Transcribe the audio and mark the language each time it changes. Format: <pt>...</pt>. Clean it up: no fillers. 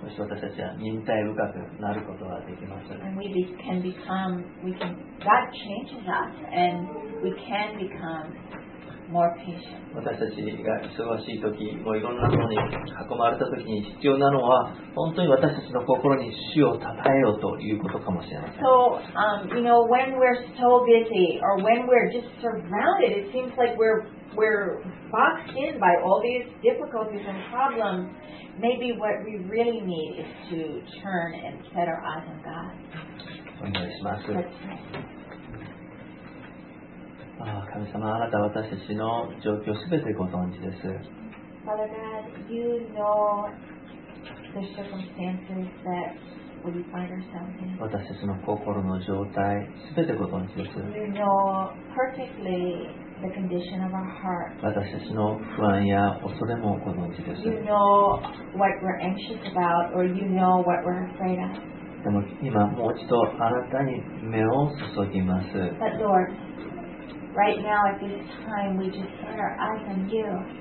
<ja>そして私たちは忍耐深くなることができます。</ja> <en>And we can become, God changes us and we can become more patient.</en> <ja>私たちが忙しい時、もういろんなものに囲まれた時に必要なのは本当に私たちの心に主を讃えようということかもしれません。</ja> <en>So, you know, when we're so busy or when we're just surrounded, it seems like we're boxed in by all these difficulties and problems. Maybe what we really need is to turn and set our eyes on God.</en> <ja>お願いします。ああ神様、あなたは私たちの状況すべてご存知です。</ja> <en>Father God, you know the circumstances that we find ourselves in.</en> <ja>私たちの心の状態すべてご存知です。</ja> <en>You know perfectly the condition of our heart.</en> <ja>私たちの不安や恐れもご存知です。</ja> <en>You know what we're anxious about or you know what we're afraid of.</en> <ja>でも今もう一度あなたに目を注ぎます。</ja> <en>But Lord,Right now, at this time, we just set our eyes on you.</en>